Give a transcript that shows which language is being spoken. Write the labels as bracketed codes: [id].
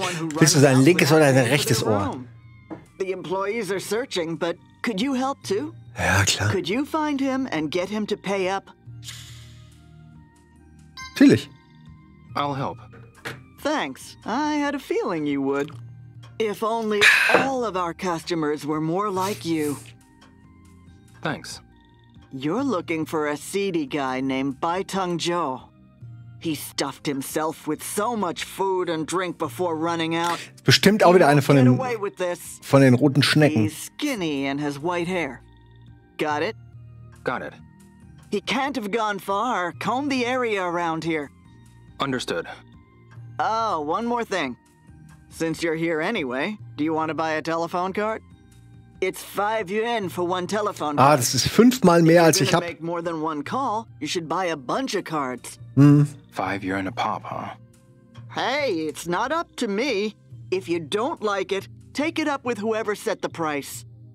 [de] Willst du sein linkes oder dein rechtes Ohr? [en] The employees are searching, but could you help too? [de] Ja, klar. [en] Could you find him and get him to pay up? [de] Natürlich. [en] I'll help. Thanks. I had a feeling you would. If only all of our customers were more like you. Thanks. You're looking for a seedy guy named Baitung Zhou. He stuffed himself with so much food and drink before running out. [de] Bestimmt auch wieder eine von den roten Schnecken. [en] He's skinny and has white hair. Got it? Got it. He can't have gone far. Comb the area around here. Understood. Oh, one more thing. Since you're here anyway, do you want to buy a telephone card? It's 5 yuan for one telephone card. [de] Ah, das ist fünfmal mehr als ich hab. [en] If you make more than one call, you should buy a bunch of cards. 5 yuan a pop, huh? Hey, it's not up to me. If you don't like it, take it up with whoever set the price.